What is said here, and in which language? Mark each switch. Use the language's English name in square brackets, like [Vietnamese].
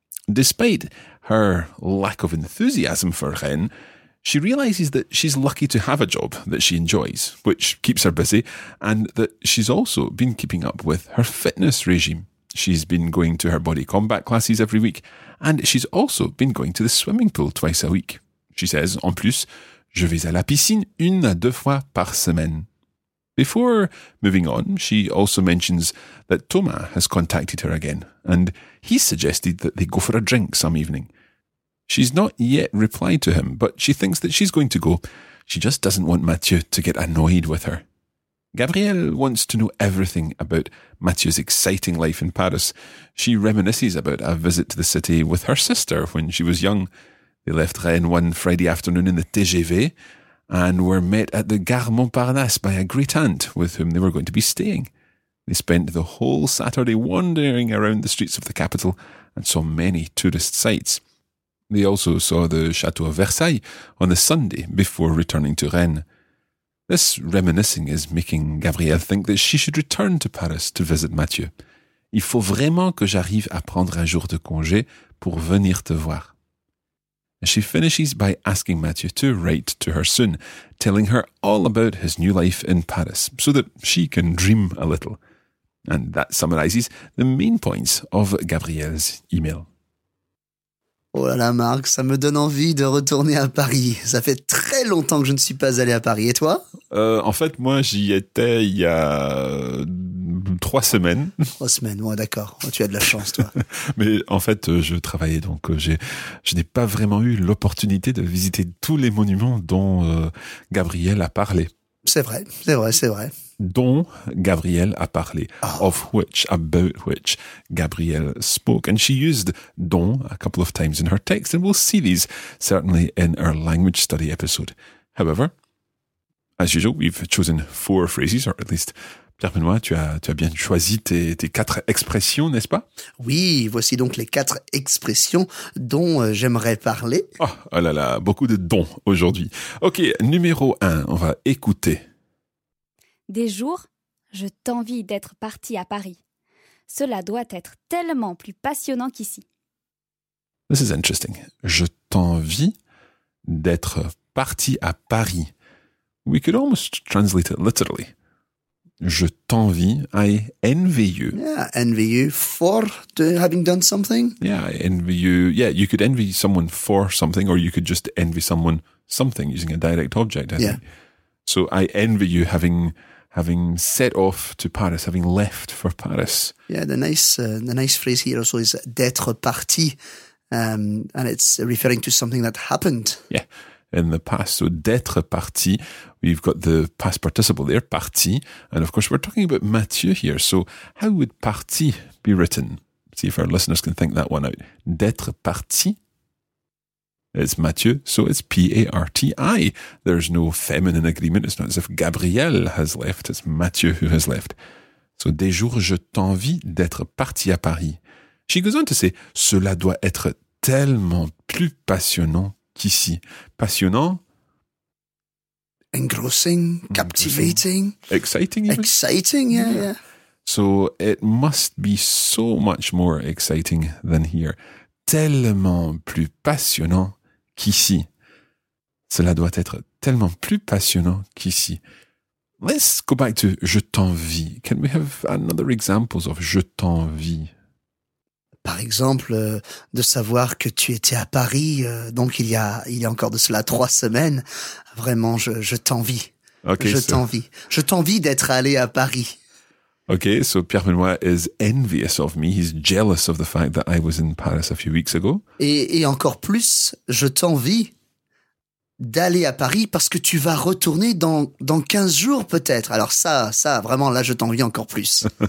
[English] Despite her lack of enthusiasm for Rennes, she realises that she's lucky to have a job that she enjoys, which keeps her busy, and that she's also been keeping up with her fitness regime. She's been going to her body combat classes every week, and she's also been going to the swimming pool twice a week. She says, [French] "En plus, je vais à la piscine une à deux fois par semaine." [English] Before moving on, she also mentions that Thomas has contacted her again, and he suggested that they go for a drink some evening. She's not yet replied to him, but she thinks that she's going to go. She just doesn't want Mathieu to get annoyed with her. Gabrielle wants to know everything about Mathieu's exciting life in Paris. She reminisces about a visit to the city with her sister when she was young. They left Rennes one Friday afternoon in the TGV and were met at the Gare Montparnasse by a great aunt with whom they were going to be staying. They spent the whole Saturday wandering around the streets of the capital and saw many tourist sights. They also saw the Chateau of Versailles on the Sunday before returning to Rennes. This reminiscing is making Gabrielle think that she should return to Paris to visit Mathieu. [French] Il faut vraiment que j'arrive à prendre un jour de congé pour venir te voir. [English] She finishes by asking Mathieu to write to her soon, telling her all about his new life in Paris so that she can dream a little. And that summarizes the main points of Gabrielle's email. [French] Oh là là, Marc, ça me donne envie de retourner à Paris. Ça fait très longtemps que je ne suis pas allé à Paris. Et toi? En fait, moi, j'y étais il y a 3 semaines. 3 semaines, ouais, d'accord. Tu as de la chance, toi. Mais en fait, je travaillais, donc je n'ai pas vraiment eu l'opportunité de visiter tous les monuments dont Gabrielle a parlé. C'est vrai, c'est vrai, c'est vrai. Dont Gabrielle a parlé, [English] of which, about which Gabrielle spoke. And she used dont a couple of times in her text, and we'll see these certainly in our language study episode. However, as usual, we've chosen 4 phrases, or at least Pierre-Benoît, [French] tu as bien choisi tes 4 expressions, n'est-ce pas? Oui, voici donc les 4 expressions dont j'aimerais parler. Oh, oh là là, beaucoup de dons aujourd'hui. Ok, numéro 1, on va écouter. Des jours, je t'envie d'être parti à Paris. Cela doit être tellement plus passionnant qu'ici. [English] This is interesting. [French] Je t'envie d'être parti à Paris. [English] We could almost translate it literally. [French] Je t'envie, [English] I envy you. Yeah, envy you for having done something. Yeah, I envy you. Yeah, you could envy someone for something, or you could just envy someone something using a direct object, I think. So I envy you having set off to Paris, having left for Paris. Yeah, the nice phrase here also is [French] d'être parti, [English] and it's referring to something that happened. Yeah, in the past. So [French] d'être parti, [English] we've got the past participle there, parti, and of course we're talking about Mathieu here. So how would parti be written? See if our listeners can think that one out. [French] D'être parti. [English] It's Mathieu, so it's P-A-R-T-I. There's no feminine agreement. It's not as if Gabrielle has left. It's Mathieu who has left. [French] So, des jours, je t'envie d'être parti à Paris. [English] She goes on to say, [French] cela doit être tellement plus passionnant qu'ici. Passionnant? [English] Engrossing, captivating. Exciting, even. Exciting, yeah. So, it must be so much more exciting than here. [French] Tellement plus passionnant qu'ici. Cela doit être tellement plus passionnant qu'ici. [English] Let's go back to [French] je t'envie. [English] Can we have another examples of je t'envie? [French] Par exemple, de savoir que tu étais à Paris, donc il y a encore de cela 3 semaines. Vraiment, je t'envie. Okay, t'envie. Je t'envie d'être allé à Paris. [English] Okay, so Pierre-Benoît is envious of me. He's jealous of the fact that I was in Paris a few weeks ago. [French] Et encore plus, je t'envie d'aller à Paris parce que tu vas retourner dans 15 jours peut-être. Alors ça vraiment là je t'envie encore plus.